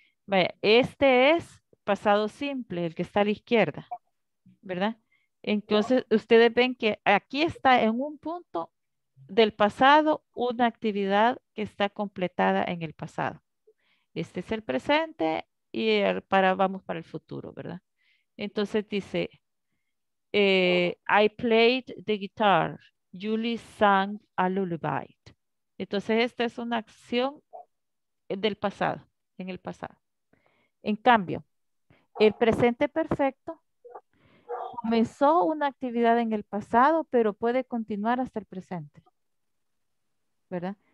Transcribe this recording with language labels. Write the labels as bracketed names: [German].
[Spanish] Vaya, este es pasado simple, el que está a la izquierda, ¿verdad? Entonces, ustedes ven que aquí está en un punto del pasado una actividad que está completada en el pasado. Este es el presente y vamos para el futuro, ¿verdad? Entonces dice, [English] I played the guitar, Julie sang a lullaby. [Spanish] Entonces esta es una acción del pasado, en el pasado. En cambio, el presente perfecto comenzó una actividad en el pasado, pero puede continuar hasta el presente, ¿verdad?